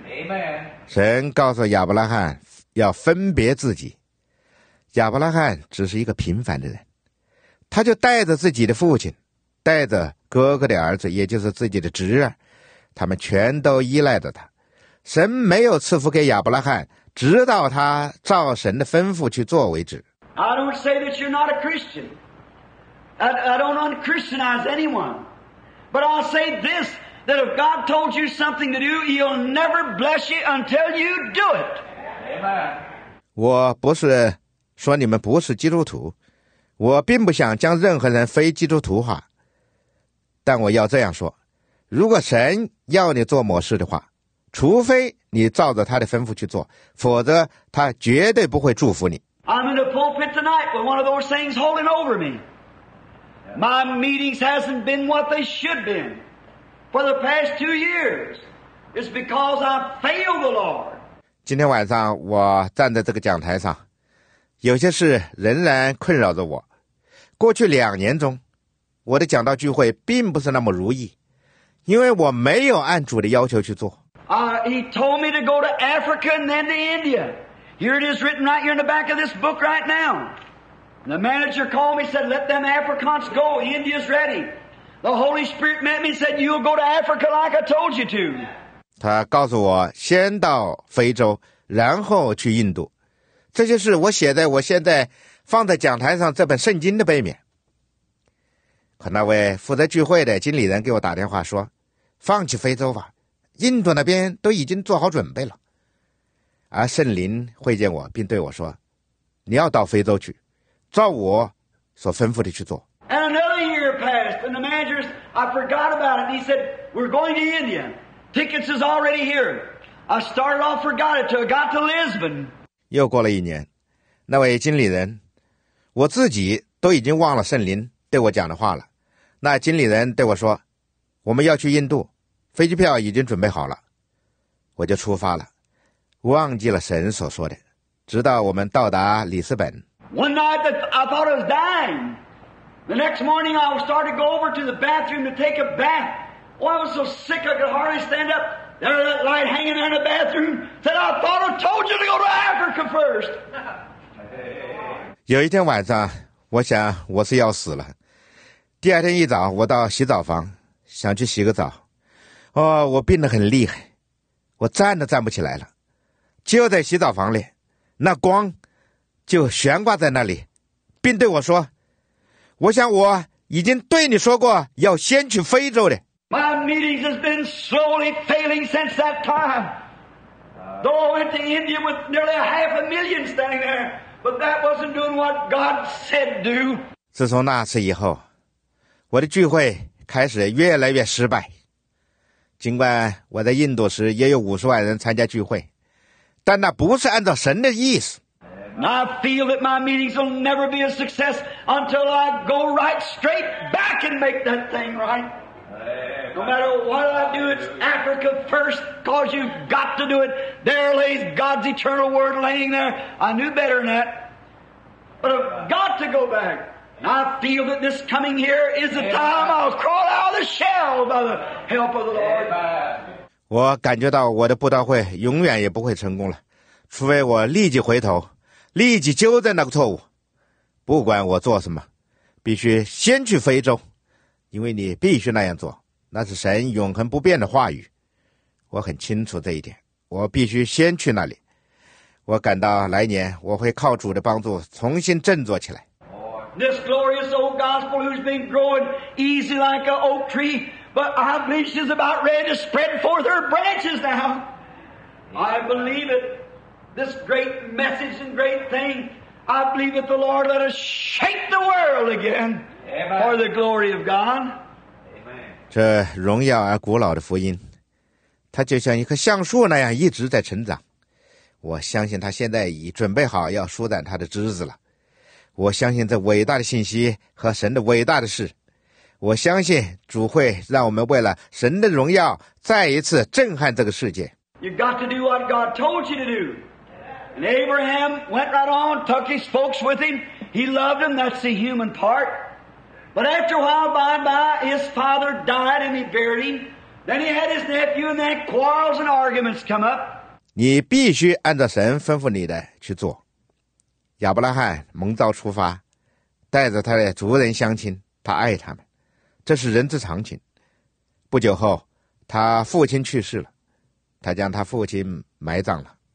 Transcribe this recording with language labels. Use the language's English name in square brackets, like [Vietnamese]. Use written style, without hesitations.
[English] Amen. [Chinese] 神告诉亚伯拉罕要分别自己，亚伯拉罕只是一个平凡的人，他就带着自己的父亲，带着哥哥的儿子，也就是自己的侄儿，他们全都依赖着他。神没有赐福给亚伯拉罕，直到他照神的吩咐去做为止。 [English] I don't say that you're not a Christian. I don't unchristianize anyone. But I'll say this, that if God told you something to do, he'll never bless you until you do it. Amen. [Chinese] 我不是说你们不是基督徒，我并不想将任何人非基督徒化。但我要这样说，如果神要你做某事的话，除非你照着他的吩咐去做，否则他绝对不会祝福你。 [English] I'm in the pulpit tonight with one of those things holding over me. My meetings hasn't been what they should be for the past 2 years. It's because I failed the Lord. [Chinese] 今天晚上我站在这个讲台上，有些事仍然困扰着我。过去2年中，我的讲道聚会并不是那么如意，因为我没有按主的要求去做。 [English] He told me to go to Africa and then to India. Here it is written right here in the back of this book right now. The manager called me and said, let them Africans go. India's ready. The Holy Spirit met me and said, you'll go to Africa like I told you to. [Chinese] 他告诉我先到非洲，然后去印度。这就是我写在我现在放在讲台上这本圣经的背面。可那位负责聚会的经理人给我打电话说，放弃非洲吧，印度那边都已经做好准备了。而圣灵会见我并对我说，你要到非洲去，照我所吩咐的去做。 [English] And another year passed, and the managers, I forgot about it. He said, we're going to India. Tickets is already here. I started off, forgot it, till I got to Lisbon. [Chinese] 又过了一年，那位经理人，我自己都已经忘了圣灵对我讲的话了。那经理人对我说，我们要去印度，飞机票已经准备好了。我就出发了，忘记了神所说的，直到我们到达里斯本。 [English] One night that I thought I was dying. The next morning I started to go over to the bathroom to take a bath. Oh, I was so sick I could hardly stand up. There was that light hanging there in the bathroom. Said, I thought I told you to go to Africa first. [Chinese] 有一天晚上，我想我是要死了。第二天一早，我到洗澡房，想去洗个澡。哦，我病得很厉害，我站都站不起来了。就在洗澡房里，那光就悬挂在那里，并对我说：“我想我已经对你说过要先去非洲了。” [English] My meetings has been slowly failing since that time. Though I went to India with nearly $500,000 standing there, but that wasn't doing what God said to do. [Chinese] 自从那次以后，我的聚会开始越来越失败。尽管我在印度时也有50万人参加聚会，但那不是按照神的意思。 [English] And I feel that my meetings will never be a success until I go right straight back and make that thing right. No matter what I do, it's Africa first, cause you've got to do it. There lays God's eternal word laying there. I knew better than that. But I've got to go back. And I feel that this coming here is the time I'll crawl out of the shell by the help of the Lord. [Chinese] 我感觉到我的布道会永远也不会成功了，除非我立即回头。立即纠正那个错误，不管我做什么，必须先去非洲，因为你必须那样做，那是神永恒不变的话语。我很清楚这一点，我必须先去那里。我感到来年我会靠主的帮助重新振作起来。 [English] This glorious old gospel who's been growing easy like an oak tree, but I believe she's about ready to spread forth her branches now. I believe it. This great message and great thing, I believe that the Lord let us shake the world again for the glory of God. [Chinese] 这荣耀而古老的福音，它就像一棵橡树那样一直在成长。我相信它现在已准备好要舒展它的枝子了。我相信这伟大的信息和神的伟大的事。我相信主会让我们为了神的荣耀再一次震撼这个世界。 [English] You've got to do what God told you to do. And Abraham went right on, took his folks with him. He loved them, that's the human part. But after a while, by and by, his father died and he buried him. Then he had his nephew and then quarrels and arguments come up. [Chinese] 你必须按照神吩咐你的去做。亚伯拉罕蒙召出发，带着他的族人相亲，他爱他们。这是人之常情。不久后，他父亲去世了，他将他父亲埋葬了。